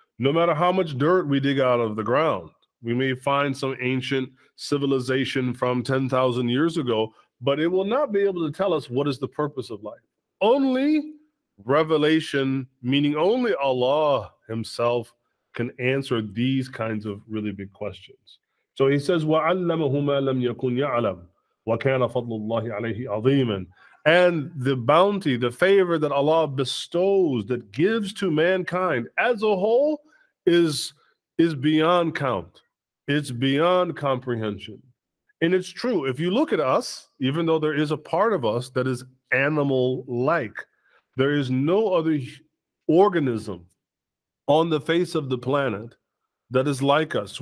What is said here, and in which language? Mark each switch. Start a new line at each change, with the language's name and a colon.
English: No matter how much dirt we dig out of the ground, we may find some ancient civilization from 10,000 years ago, but it will not be able to tell us what is the purpose of life. Only revelation, meaning only Allah himself, can answer these kinds of really big questions. So he says,
Arabic: وَعَلَّمَهُ مَا لَمْ يَكُنْ يَعْلَمْ وَكَانَ فَضْلُ اللَّهِ عَلَيْهِ عَظِيمًا.
English: And the bounty, the favor that Allah bestows, that gives to mankind as a whole, is beyond count. It's beyond comprehension. And it's true. If you look at us, even though there is a part of us that is animal-like, there is no other organism on the face of the planet that is like us.